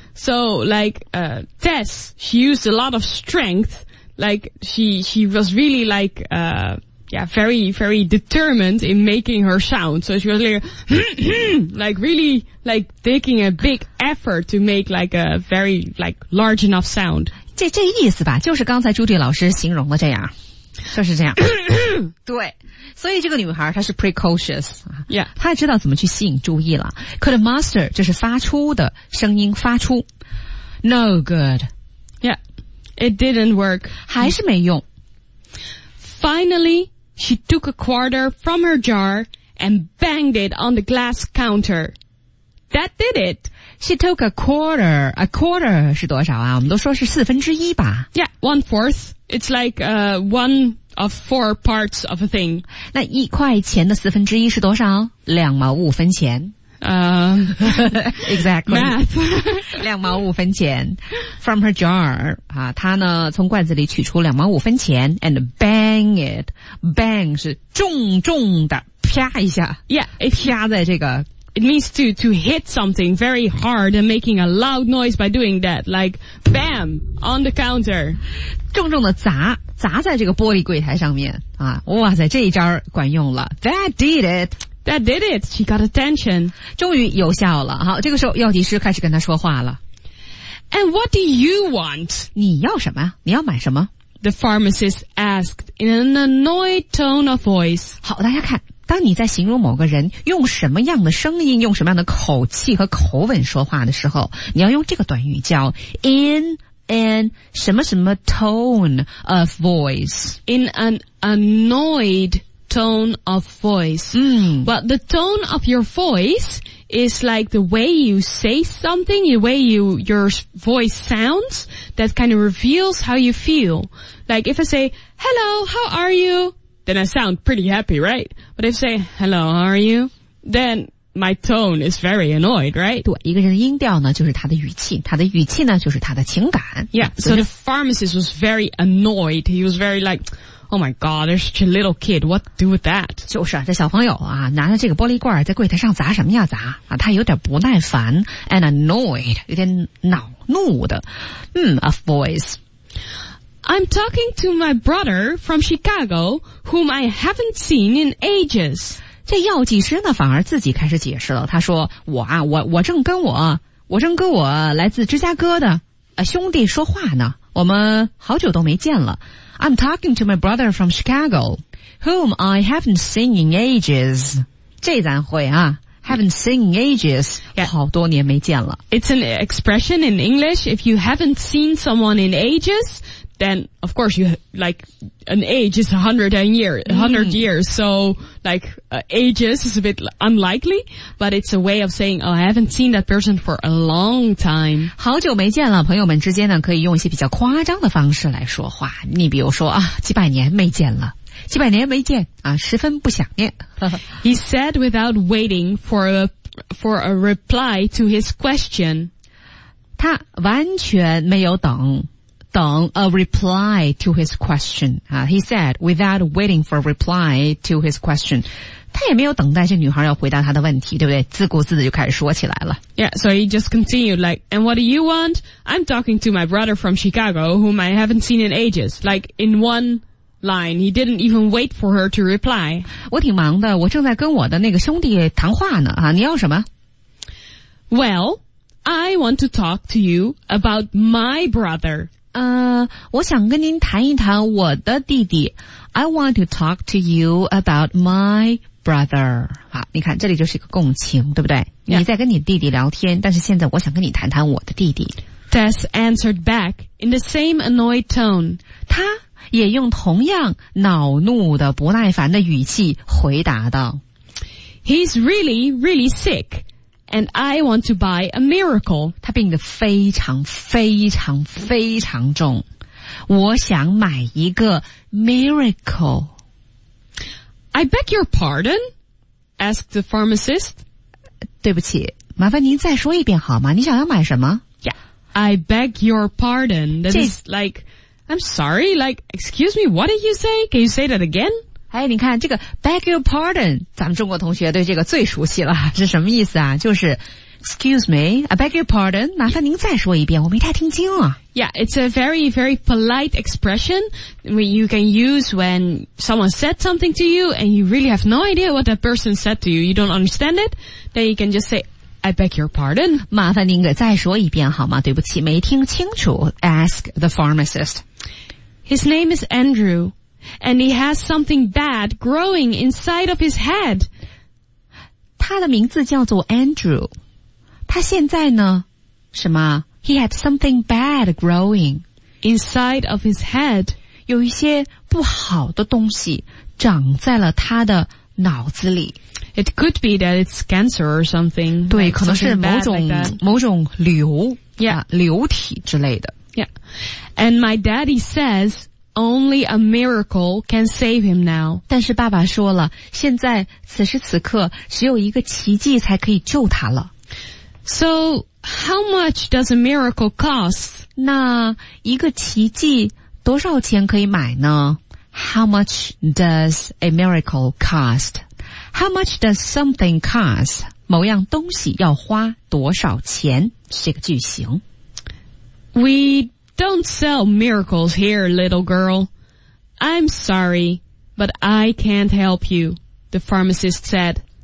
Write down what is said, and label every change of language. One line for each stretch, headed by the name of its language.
English: So like Tess, she used a lot of strength. Like, she was really like, very, very determined in making her sound. So she was like, like really, like taking a big effort to make like a very, like large enough sound.
Chinese: 这意思吧，就是刚才朱迪老师形容的这样。就是这样。对，所以这个女孩她是 precocious、
English: yeah.
Chinese: 她也知道怎么去吸引注意了。
English: Could a master
Chinese: 就是发出的声音发出
English: No good Yeah It didn't work
Chinese: 还是没用。
English: Finally She took a quarter from her jar And banged it on the glass counter That did it She took a quarter. A quarter
Chinese: 是多少啊？我们都说是四分之一吧。
English: Yeah, one fourth. It's like one of four parts of a thing.
Chinese: 那一块钱的四分之一是多少？两毛五分钱。
English: exactly. Math.
Chinese: 两毛五分钱。
English: From her jar.
Chinese: 啊，她呢从罐子里取出两毛五分钱 ，
English: and bang it.
Chinese: Bang 是重重的啪一下。
English: Yeah,
Chinese: 啪在这个。
English: It means to hit something very hard and making a loud noise by doing that, like bam on the counter.
Chinese: 重重的砸，砸在这个玻璃柜台上面啊！哇塞，这一招管用了。
English: That did it. That did it. She got attention.
Chinese: 终于有效了。好，这个时候药剂师开始跟他说话了。
English: And what do you want?
Chinese: 你要什么？你要买什么？
English: The pharmacist asked in an annoyed tone of voice.
Chinese: 好，大家看。当你在形容某个人用什么样的声音用什么样的口气和口吻说话的时候你要用这个短语叫
English: in an
Chinese: 什么什么
English: tone of voice in an annoyed tone of voice、嗯、 but the tone of your voice is like the way you say something the way your voice sounds that kind of reveals how you feel like if I say hello how are youThen I sound pretty happy, right? But if I say, hello, how are you? Then my tone is very annoyed, right?
Chinese: 对，一个人的音调呢，就是他的语气，他的语气呢，就是他的情感。
English: Yeah, so the pharmacist was very annoyed. He was very like, oh my god, there's such a little kid, what to do with that?
Chinese: 就是啊，这小朋友啊，拿着这个玻璃罐在柜台上砸什么呀砸啊，他有点不耐烦 ,
English: and annoyed,
Chinese: 有点恼怒的。
English: A voice. I'm talking to my brother from Chicago, whom I haven't seen in ages.
Chinese: 这药剂师呢反而自己开始解释了。他说我正跟我来自芝加哥的兄弟说话呢。我们好久都没见了。
English: I'm talking to my brother from Chicago, whom I haven't seen in ages.
Chinese: 这咱会啊。
English: Haven't seen in ages. Yeah.
Chinese: 好多年没见了。
English: It's an expression in English. If you haven't seen someone in ages,Then, of course, you, like, an age is 100 years, so, like, ages is a bit unlikely, but it's a way of saying, oh, I haven't seen that person for a long time.
Chinese: 好久没见了，朋友们之间呢，可以用一些比较夸张的方式来说话。你比如说啊，几百年没见了，几百年没见，啊，十分不想念。
English: He said without waiting for a reply to his question.
Chinese: 他完全没有等。等
English: a reply to his question.、He said, without waiting for a reply to his question.
Chinese: 他也没有等待这女孩要回答他的问题，对不对？自顾自的就开始说起来了。
English: Yeah, so he just continued like, and what do you want? I'm talking to my brother from Chicago, whom I haven't seen in ages. Like, in one line, he didn't even wait for her to reply.
Chinese: 我挺忙的，我正在跟我的那个兄弟谈话呢。啊，你要什么？
English: Well, I want to talk to you about my brother.
Chinese: 我想跟您谈一谈我的弟弟。
English: I want to talk to you about my brother.
Chinese: 好，你看这里就是一个共情，对不对？
English: Yeah.
Chinese: 你在跟你弟弟聊天，但是现在我想跟你谈谈我的弟弟。
English: Tess answered back in the same annoyed tone.
Chinese: 他也用同样恼怒的不耐烦的语气回答道。
English: He's really, really sick. And I want to buy a miracle.
Chinese: 他病得非常非常非常重。我想买一个 miracle.
English: I beg your pardon? Asked the pharmacist.
Chinese: 对不起，麻烦您再说一遍好吗？你想要买什么？
English: Yeah. I beg your pardon. That is like, I'm sorry, like, excuse me, what did you say? Can you say that again?
Chinese: 哎，你看这个
English: beg your pardon，
Chinese: 咱们中国同学对这个最熟悉了，是什么意思啊？就是
English: excuse me， I beg your pardon，
Chinese: 麻烦您再说一遍，我没太听清啊。
English: Yeah， it's a very very polite expression when you can use when someone said something to you and you really have no idea what that person said to you， you don't understand it， then you can just say I beg your pardon，
Chinese: 麻烦您给再说一遍好吗？对不起，没听清楚。
English: Ask the pharmacist， his name is Andrew。 And he has something bad growing inside of his head.
Chinese: 他的名字叫做 Andrew. 他现在呢什么
English: He had something bad growing inside of his head.
Chinese: 有一些不好的东西长在了他的脑子里。
English: It could be that it's cancer or something.
Chinese: 对
English: like,
Chinese: 可能是某种、
English: like、
Chinese: 某种瘤、
English: yeah.
Chinese: 啊、瘤体之类的。
English: Yeah. And my daddy says, only a miracle can save him now.
Chinese: 但是爸爸说了，现在此时此刻只有一个奇迹才可以救他了。
English: So, how much does a miracle cost?
Chinese: 那一个奇迹多少钱可以买呢？
English: How much does a miracle cost? How much does something cost?
Chinese: 某样东西要花多少钱？是一个句型。
English: We don't sell miracles here, little girl. I'm sorry, but I can't help you, the pharmacist said.